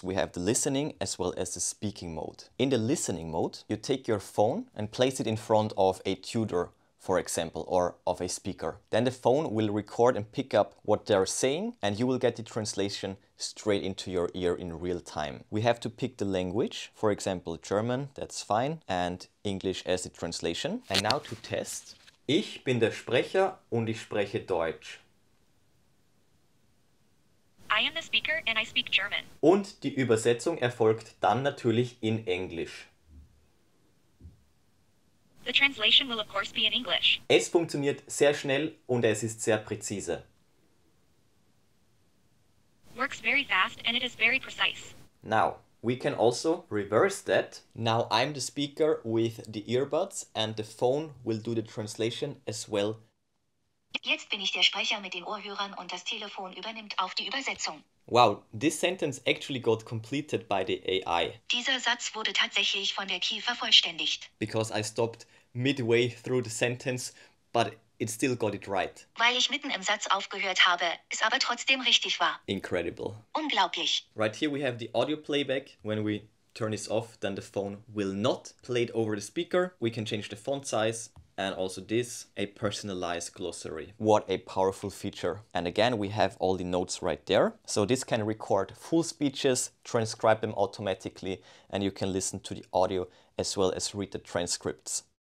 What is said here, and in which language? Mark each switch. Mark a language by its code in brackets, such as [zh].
[en] We have the listening as well as the speaking mode. In the listening mode, you take your phone and place it in front of a tutor, for example, or of a speaker. Then the phone will record and pick up what they're saying, and you will get the translation straight into your ear in real time. We have to pick the language, for example, German, that's fine, and English as the translation. And now to test. [de] Ich bin der Sprecher und ich spreche Deutsch. [en] I am the speaker and I speak German. [de] Und die Übersetzung erfolgt dann natürlich in Englisch. [en] The translation will of course be in English. [de] Es funktioniert sehr schnell und es ist sehr präzise. [en] Works very fast and it is very precise. Now, we can also reverse that. Now I'm the speaker with the earbuds and the phone will do the translation as well. [de] Jetzt bin ich der Sprecher mit den Ohrhörern und das Telefon übernimmt auf die Übersetzung. [en] Wow, this sentence actually got completed by the AI. [de] Dieser Satz wurde tatsächlich von der KI vervollständigt. [en] Because I stopped midway through the sentence, but it still got it right. [de] Weil ich mitten im Satz aufgehört habe, es aber trotzdem richtig war. [en] Incredible. [de] Unglaublich. [en] Right here we have the audio playback. When we turn this off, then the phone will not play it over the speaker. We can change the font size. And also this, a personalized glossary. What a powerful feature. And again, we have all the notes right there. So this can record full speeches, transcribe them automatically, and you can listen to the audio as well as read the transcripts.